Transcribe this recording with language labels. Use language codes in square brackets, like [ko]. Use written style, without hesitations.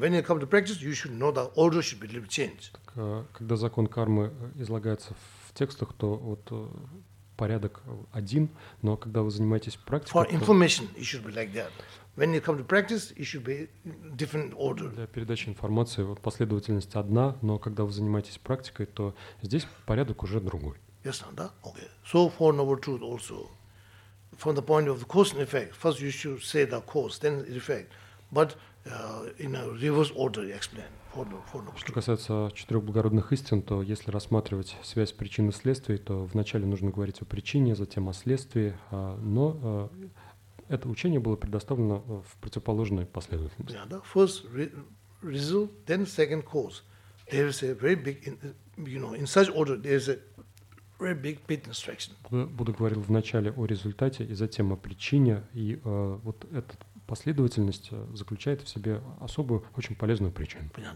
[en] When you come to practice, you should know that order should be a little changed. [ru] Так, когда закон кармы излагается в текстах, то вот порядок один, но когда вы занимаетесь практикой, [en] for information, it should be like that. When you come to practice, it should be different order. [ru] Для передачи информации последовательность одна, но когда вы занимаетесь практикой, то здесь порядок уже другой. [en] Yes, no, okay. So for noble truth also, from the point of the cause and effect, first you should say the cause, then the effect, but in a reverse order you explain. [ru] Что касается четырех благородных истин, то если рассматривать связь причин и следствий, то вначале нужно говорить о причине, затем о следствии, но это учение было предоставлено в противоположной последовательности. [en] Yeah, the first result, then second cause. There is a very big, you know, in such order, there is a very big bit instruction. [ru] Буду говорить вначале о результате и затем о причине, и вот этот последовательность заключает в себе особую, очень полезную причину.